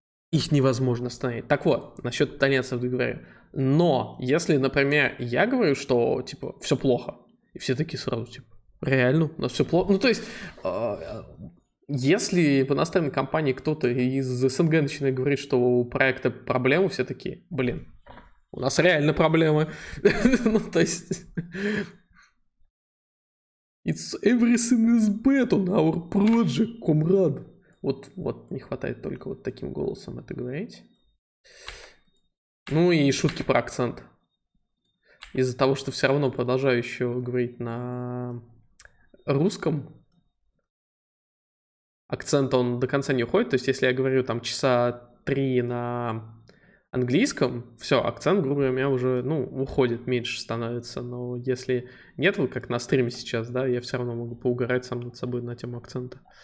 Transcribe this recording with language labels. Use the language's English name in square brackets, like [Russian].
[Russian] Их невозможно остановить. Так вот, насчет итальянцев говорю. Но, если, например, я говорю, что, типа, все плохо, и все такие сразу, типа, реально, у нас все плохо. Ну, то есть... Если в иностранной компании кто-то из СНГ начинает говорить, что у проекта проблемы, все такие, блин, у нас реально проблемы. Ну, то есть... [English] It's everything is bad on our project, comrade. [Russian] Вот, не хватает только вот таким голосом это говорить. Ну и шутки про акцент. Из-за того, что все равно продолжаю еще говорить на русском... Акцент он до конца не уходит, то есть если я говорю там часа 3 на английском, все, акцент, грубо говоря, у меня уже, ну, уходит, меньше становится, но если нет, вот как на стриме сейчас, да, я все равно могу поугарать сам над собой на тему акцента.